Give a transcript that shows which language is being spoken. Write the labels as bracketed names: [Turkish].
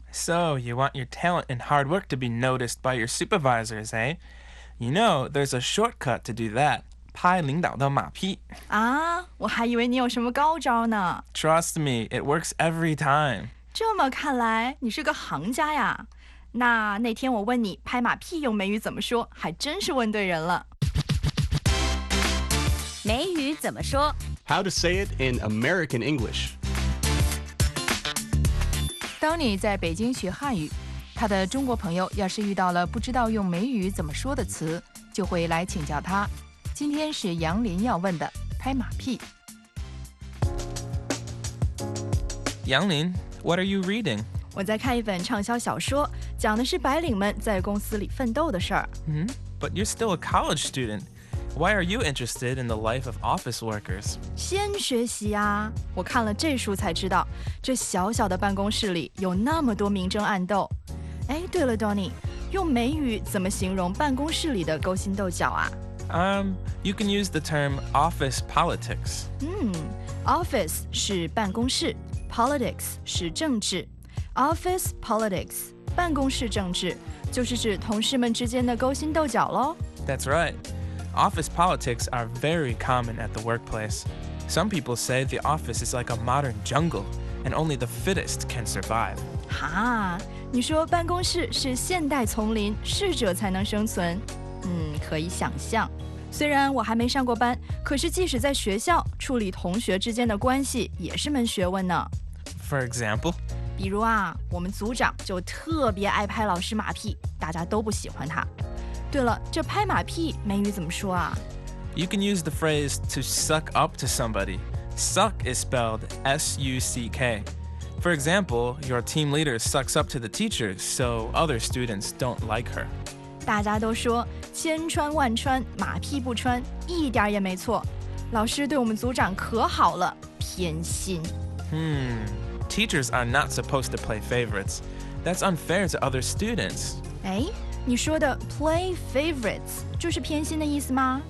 [English] So, you want your talent and hard work to be noticed by your supervisors, eh? You know, there's a shortcut to do that. [Chinese] 拍领导的马屁。啊，我还以为你有什么高招呢。 [English] Trust me, it works every time. [Chinese] 这么看来，你是个行家呀。那天我问你拍马屁用美语怎么说，还真是问对人了。美语怎么说？ [English] How to say it in American English. [Chinese] 当你在北京学汉语，他的中国朋友要是遇到了不知道用美语怎么说的词，就会来请教他。今天是杨林要问的，拍马屁。 [English] 杨林 ，What are you reading？ [Chinese] 我在看一本畅销小说，讲的是白领们在公司里奋斗的事儿。 [English] But you're still a college student. Why are you interested in the life of office workers？ [Chinese] 先学习啊，我看了这书才知道，这小小的办公室里有那么多明争暗斗。哎，对了 ，Donnie， 用美语怎么形容办公室里的勾心斗角啊 [English] ？You can use the term office politics. [Chinese] Office 是办公室 ，politics 是政治 ，office politics 办公室政治就是指同事们之间的勾心斗角咯。 [English] That's right. Office politics are very common at the workplace. Some people say the office is like a modern jungle, and only the fittest can survive. [Chinese] 哈，你说办公室是现代丛林，适者才能生存。可以想象。虽然我还没上过班，可是即使在学校，处理同学之间的关系也是门学问呢。 [English] For example? [Chinese] 比如啊，我们组长就特别爱拍老师马屁，大家都不喜欢他。对了，这拍马屁美语怎么说啊？ [English] You can use the phrase to suck up to somebody. Suck is spelled S-U-C-K. For example, your team leader sucks up to the teacher, so other students don't like her. [Chinese] 大家都说千穿万穿，马屁不穿，一点也没错。老师对我们组长可好了，偏心。 [English] Teachers are not supposed to play favorites. That's unfair to other students. [Chinese] 哎，你说的 play favorites 就是偏心的意思吗？